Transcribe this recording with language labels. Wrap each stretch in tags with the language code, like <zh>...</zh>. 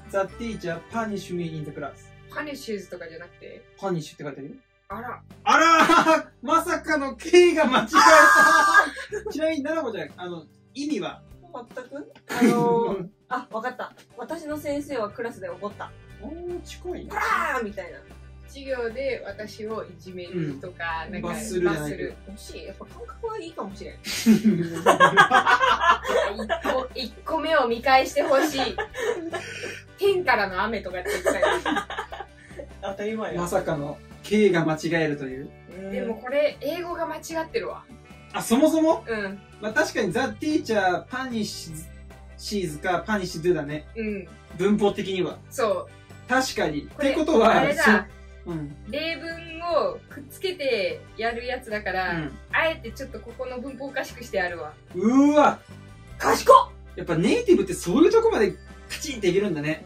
<en>The teacher punished me in the class.</en> <ja>Punishes とかじゃなくて。 Punish って書いてる。あら。あらまさかの K が間違えた。ちなみに奈々子ちゃん、あの意味は。全く、あ、わかった。私の先生はクラスで怒った。おー、近いね。ブラーみたいな。授業で私をいじめるとか、うん、なんか、罰する。罰する。惜しい。やっぱ感覚はいいかもしれん。 1個目を見返してほしい。天からの雨とかって言ってたよ。当たり前よ。まさかの、K が間違えるという。でもこれ、英語が間違ってるわ。あ、そもそも、うん、まあ、確かに</ja> <en>The teacher punishes か punish do</en> <ja>だね、うん、文法的にはそう確かにってことはあれだ、うん、例文をくっつけてやるやつだから、うん、あえてちょっとここの文法おかしくしてやるわうわ賢っやっぱネイティブってそういうとこまでカチンっていけるんだね</ja>